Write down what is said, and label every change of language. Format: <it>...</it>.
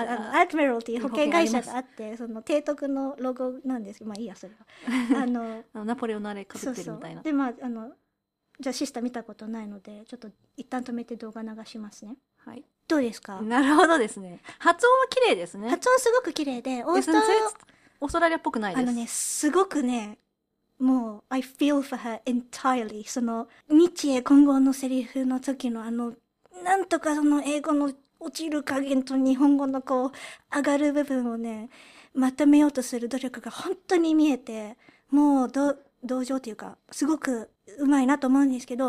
<ja>アドミラルっていう保険会社があって、その提督のロゴなんですけど、まあいいや、それはナポレオンのあれかぶってるみたいな。そうそう。で、まあじゃあシスター見たことないので、ちょっと一旦止めて動画流しますね。はい、どうですか？なるほどですね。発音は綺麗ですね。発音すごく綺麗で、オーストラリアっぽくないです。すごくね、もう</ja> <en>I feel for her entirely。</en> <ja>その日英混合のセリフの時のなんとかその英語の落ちる加減と日本語のこう上がる部分をね、まとめようとする努力が本当に見えて、もう同情というか、すごくうまいなと思うんですけど、</ja>